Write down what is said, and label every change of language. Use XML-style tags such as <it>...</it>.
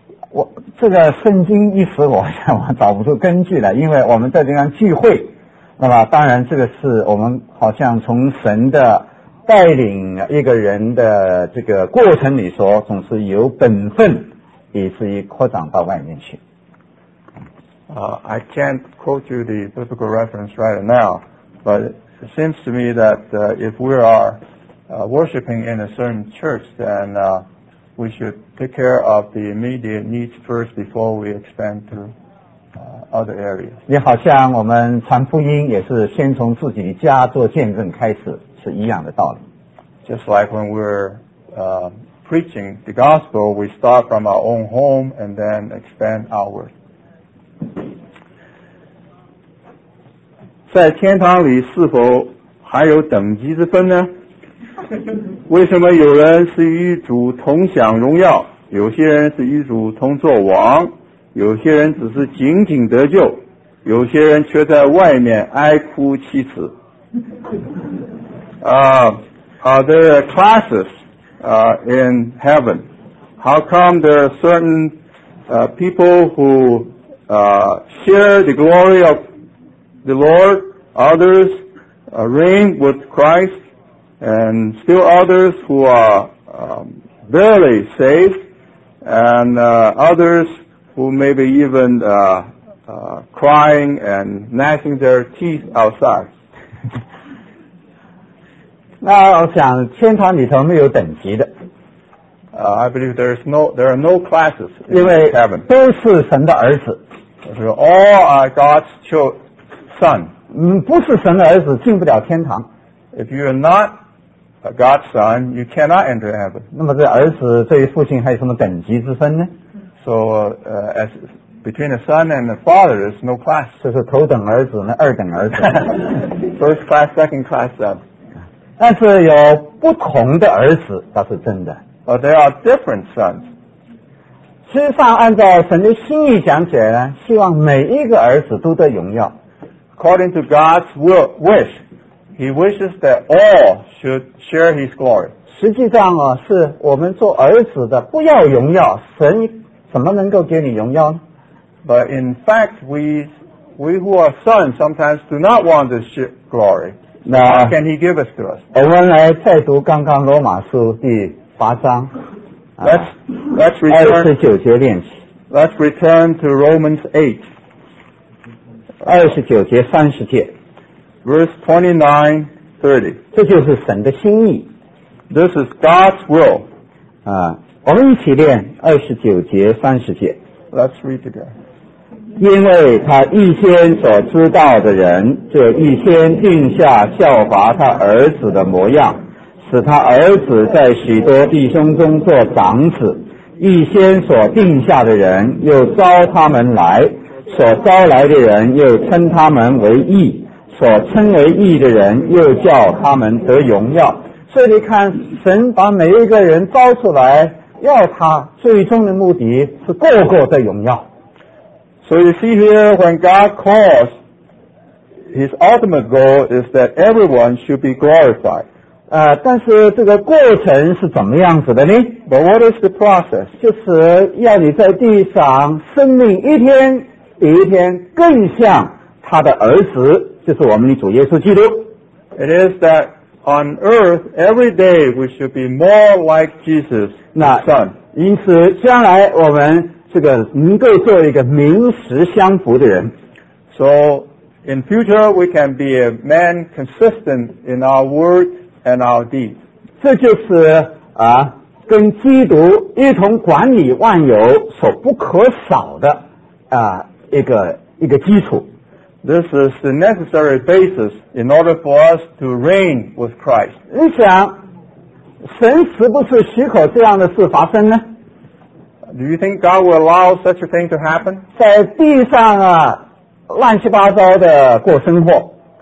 <zh>我这个圣经一时我找不出根据了，因为我们在这样聚会。那么当然这个是我们好像从神的带领一个人的这个过程里说，总是有本分以至于扩展到外面去。</zh> <en>I can't quote you the biblical reference right now, but it seems to me that if we are worshiping in a certain church, then we should take care of the immediate needs first before we expand to other areas.</en> <zh>也好像我们传福音也是先从自己家做见证开始，是一样的道理。</zh> <en>Just like when we're preaching the gospel, we start from our own home and then expand outward.</en> <zh>在天堂里是否还有等级之分呢？为什么有人是与主同享荣耀，有些人是与主同作王？有些人只是仅仅得救，有些人却在外面哀哭泣齿。</zh> <en>Are there classes in heaven? How come there are certain people who share the glory of the Lord, others reign with Christ, and still others who are barely saved, and others who maybe even crying and gnashing their teeth outside.</en> <zh>那我想天堂里头没有等级的。</zh> <en>I believe there are no classes in heaven.</en> <zh>因为都是神的儿子。</zh> <en>So all are God's son.</en> <zh>不是神的儿子进不了天堂。</zh> <en>If you are not a God's son, you cannot enter heaven.</en> <zh>那么这儿子对于父亲还有什么等级之分呢？</zh> <en>So as between a son and a father, there's no class.</en> <zh>这是头等儿子，那二等儿子。</zh> <en>First class, second class.</en> <zh>但是有不同的儿子，倒是真的。</zh> <en>But there are different sons.</en> <zh>实际上，按照神的心意讲起来呢，希望每一个儿子都得荣耀。</zh> <en>According to God's wish, He wishes that all should share His glory.</en> <zh>实际上啊，是我们做儿子的不要荣耀，神怎么能够给你荣耀呢？</zh> <en>But in fact, we who are sons sometimes do not want to share glory. How can he give us to us?</en> <zh>我们来再读刚刚罗马书第八章。</zh> <en>Let's return</en> <zh>29节练习。</zh> <en>Let's return to Romans 8.</en> <zh>29节30节。</zh> <en>Verse 29,</en> <zh>30. 这就是神的心意。</zh> <en>This is God's will.</en> <zh>啊，我们一起练29节30节。</zh> <en>Let's read together.</en> <zh>因为他预先所知道的人，就预先定下效法他儿子的模样，使他儿子在许多弟兄中做长子。预先所定下的人又招他们来，所招来的人又称他们为义，所称为义的人又叫他们得荣耀。所以你看，神把每一个人招出来，要他最终的目的是个个得荣耀。</zh> <en>So you see here, when God calls, His ultimate goal is that everyone should be glorified.</en> <zh>但是这个过程是怎么样子的呢？</zh> <en>But what is the process?</en> <zh>就是要你在地上生命一天比一天更像他的儿子，就是我们的主耶稣基督。</zh> <en>It is that on earth, every day we should be more like Jesus, the Son.</en> <zh>因此将来我们这个能够做一个名实相符的人。</zh> <en>So, in future, we can be a man consistent in our word and our deed.</en> <zh>这就是啊，跟基督一同管理万有所不可少的啊一个基础。</zh> <en>This is the necessary basis in order for us to reign with Christ.</en> <zh>你想，神是不是许可这样的事发生呢？</zh> <en>Do you think God will allow such a thing to happen?</en> <zh>在地上啊，乱七八糟的过生活。</zh>